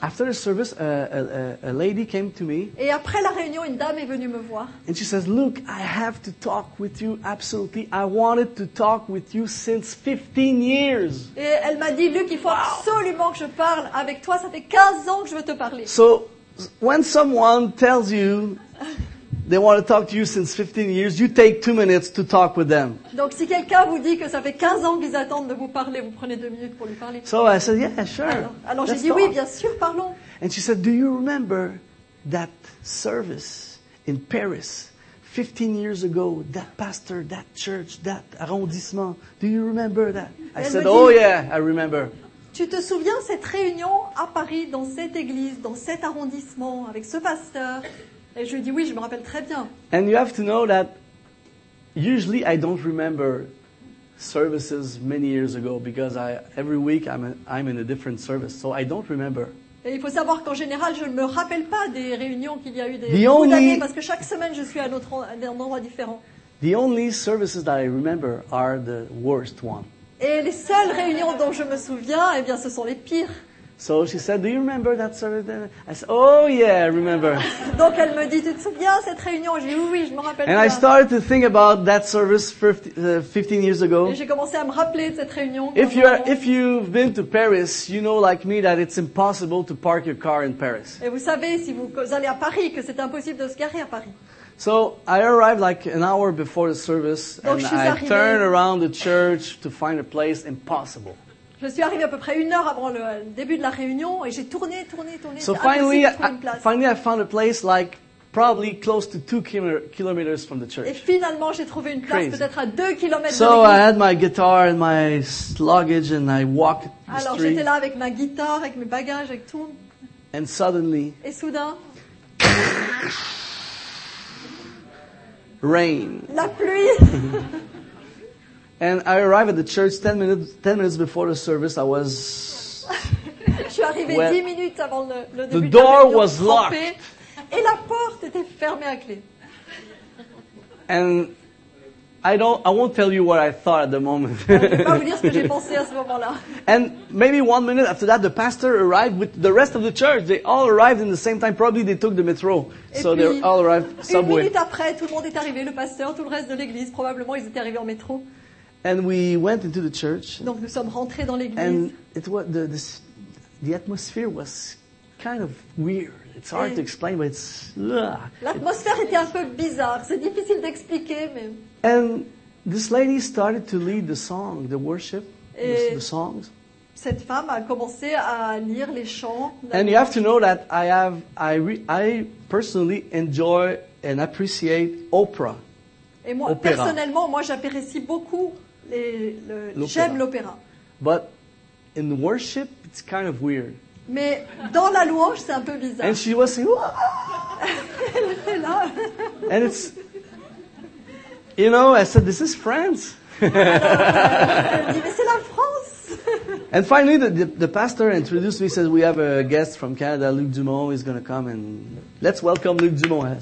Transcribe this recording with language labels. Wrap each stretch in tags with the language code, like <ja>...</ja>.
<en>After the service a lady came to me.</en> <fr>Et après la réunion, une dame est venue me voir.</fr> <en>And she says, "Look, I have to talk with you absolutely. I wanted to talk with you since 15 years."</en> <fr>Et elle m'a dit, "Luc, il faut absolument que je parle avec toi, ça fait 15 ans que je veux te parler."</fr> <en>So when someone tells you they want to talk to you since 15 years, you take 2 minutes to talk with them.</en> <fr>Donc si quelqu'un vous dit que ça fait 15 ans qu'ils attendent de vous parler, vous prenez 2 minutes pour lui parler.</fr> <en>So I said, yeah, sure.</en> <fr>Alors j'ai dit, talk. Oui, bien sûr, parlons.</fr> <en>And she said, do you remember that service in Paris 15 years ago, that pastor, that church, that arrondissement? Do you remember that? I said,</en> <fr>dit,</fr> <en>oh yeah, I remember.</en> <fr>Tu te souviens cette réunion à Paris, dans cette église, dans cet arrondissement, avec ce pasteur? Et je lui dis oui, je me rappelle très bien.</fr> <en>And you have to know that usually I don't remember services many years ago because every week I'm in a different service, so I don't remember.</en> <fr>Et il faut savoir qu'en général, je ne me rappelle pas des réunions qu'il y a eu des années parce que chaque semaine je suis à un endroit différent.</fr> <en>The only services that I remember are the worst ones.</en> <fr>Et les seules réunions dont je me souviens, eh bien, ce sont les pires.</fr> <en>So she said, "Do you remember that service?" I said, "Oh yeah, I remember."</en> <fr>Donc elle me dit, "Tu te souviens cette réunion?" J'ai dit, "Oui, je me rappelle."</fr> <en>And</en> <fr>bien.</fr> <en>I started to think about that service 15 years ago.</en> <fr>Et j'ai commencé à me rappeler de cette réunion.</fr> <en>If you've been to Paris, you know like me that it's impossible to park your car in Paris.</en> <fr>Et vous savez si vous allez à Paris que c'est impossible de se garer à Paris.</fr> <en>So I arrived like an hour before the service,</en> <fr>Donc,</fr> <en>I turned around the church to find a place.</en> <fr>Impossible. Je suis arrivé à peu près une heure avant le début de la réunion et j'ai tourné.</fr> <en>So finally, I found a place like probably close to 2 kilometers from the church.</en> <fr>Et finalement, j'ai trouvé une place peut-être à 2 kilomètres.</fr> <en>So I had my guitar and my luggage and I walked the street.</en> <fr>Alors j'étais là avec ma guitare, avec mes bagages, avec tout.</fr> <en>And suddenly.</en> <fr>Et soudain.</fr> <en>Rain.</en> <fr>La pluie.</fr> <en>And I arrived at the church 10 minutes before the service. I was</en> <fr>je suis arrivé</fr> <en>wet.</en> <fr>10 minutes avant le début.</fr> <en>The door</en> <fr>de la</fr> <en>was locked.</en> <fr>Et la porte était fermée à clé.</fr> <en>And I won't tell you what I thought at the moment.</en> <fr>Je vais pas vous dire ce que j'ai pensé à ce moment-là.</fr> <en>And maybe 1 minute after that, the pastor arrived with the rest of the church. They all arrived in the same time. Probably they took the metro.</en> <fr>Et</fr> <en>so</en> <fr>puis,</fr> <en>they all arrived subway.</en> <fr>Une minute après, tout le monde est arrivé. Le pasteur, tout le reste de l'église. Probablement, ils étaient arrivés en métro.</fr> <en>And we went into the church.</en> <fr>Donc nous sommes rentrés dans l'église.</fr> <en>And it was the atmosphere was kind of weird. It's hard to explain, but it's.</en> <fr>L'atmosphère était un peu bizarre. C'est difficile d'expliquer, mais.</fr> <en>And this lady started to lead the song, the worship. Et the songs.</en> <fr>Cette femme a commencé à lire les chants.</fr> <en>And you have to know that I personally enjoy and appreciate opera.</en> <fr>Et moi, opéra. Personnellement, moi, j'apprécie beaucoup l'opéra. J'aime l'opéra.</fr> <en>But in worship, it's kind of weird.</en> <fr>Mais dans la louange, c'est un peu bizarre.</fr> <en>And she was saying, "Wow!"</en> <fr>Elle était là.</fr> <en>And it's, you know, I said, "This is France."</en> <fr>Elle dit, mais c'est la France.</fr> <en>And finally, the pastor introduced me. Says, "We have a guest from Canada, Luc Dumont. He's going to come, and let's welcome Luc Dumont."</en>